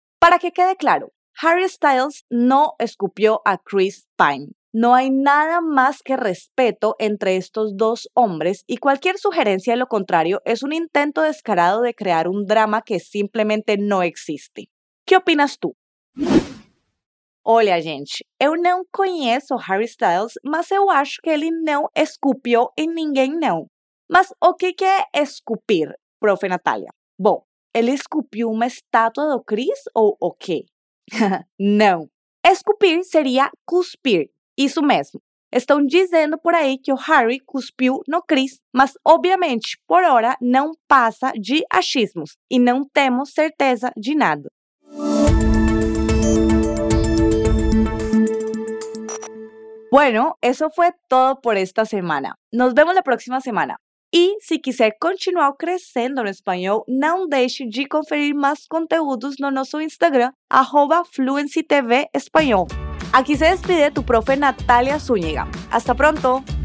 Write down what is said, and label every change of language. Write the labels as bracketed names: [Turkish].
[Spanish] Para que quede claro, Harry Styles no escupió a Chris Pine. No hay nada más que respeto entre estos dos hombres y cualquier sugerencia de lo contrario es un intento descarado de crear un drama que simplemente no existe. ¿Qué opinas tú? [Portuguese] Olha, gente, eu não conheço Harry Styles, mas eu acho que ele não escupiu em ninguém, não. Mas o que é escupir, profe Natália? Bom, ele escupiu uma estátua do Chris ou o quê? Não. Escupir seria cuspir, isso mesmo. Estão dizendo por aí que o Harry cuspiu no Chris, mas obviamente, por hora, não passa de achismos e não temos certeza de nada. [Spanish] Bueno, eso fue todo por esta semana. Nos vemos la próxima semana. Y si quiser continuar creciendo en español, no deje de conferir más contenidos en nuestro Instagram, @fluencytvespañol. Aquí se despide tu profe Natalia Zúñiga. ¡Hasta pronto!